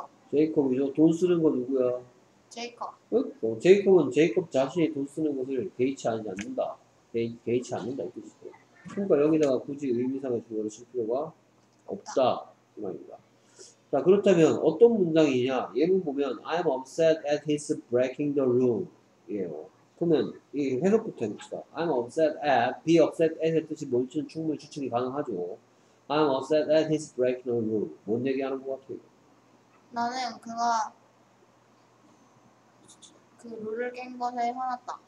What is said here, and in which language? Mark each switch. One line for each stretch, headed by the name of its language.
Korean: 제이콥이죠. 돈 쓰는 거 누구야? 제이콥. 제이콥은 제이콥 자신이 돈 쓰는 것을 개의치 않는다. 개의치 않는다 이 뜻이죠. 그러니까 여기다가 굳이 의미상의 주어를 쓸 필요가 없다. 이 말입니다. 자, 그렇다면 어떤 문장이냐. 예문 보면
English: I'm upset at his breaking the rule.
Korean: 이에요. 그러면 이 해석부터 해봅시다. I'm upset at, be upset at의 뜻이 뭔지는 충분히 추측이 가능하죠.
English: I'm upset at his breaking the rule.
Korean: 뭔 얘기하는 것 같아요? 나는 그가 그 룰을 깬 것에 화났다.